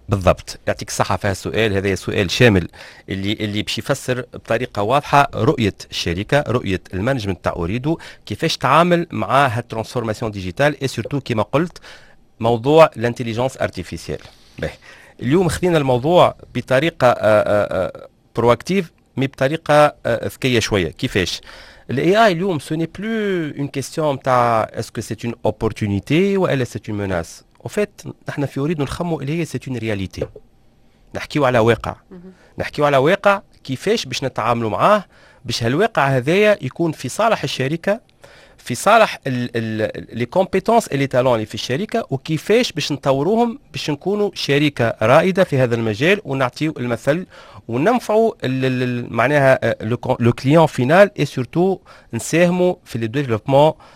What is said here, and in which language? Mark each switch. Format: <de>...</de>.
<ar>بالضبط، يعطيك الصحه في هالسؤال، هذا سؤال شامل اللي باش يفسر بطريقة واضحة رؤية الشركة، رؤية المانجمنت تاع اوريدو كيفاش تعامل مع هالترانسفورماسيون ديجيتال، اي سورتو كيما قلت موضوع الانتيليجنس ارتيفيسيال. اليوم خذينا الموضوع بطريقة برواكتيف مي بطريقة ذكية شوية. كيفاش</ar> <fr>L'IA, اليوم, ce n'est plus une question de est-ce que c'est une opportunité ou est-ce que c'est une menace. En fait, nous avons dit que l'IA, c'est une réalité. Nous avons dit que l'IA,</fr> <ar>كي فاش باش نتعاملوا معاه باش هالواقع هذايا يكون في صالح الشركة في صالح لي كومبيتونس اللي تالون اللي في الشركة وكيفاش باش نطوروهم باش نكونوا شركة رائدة في هذا المجال ونعطيو المثل وننفعوا معناها لو كليون فينال اي سورتو نساهموا في لو ديفلوبمون</ar>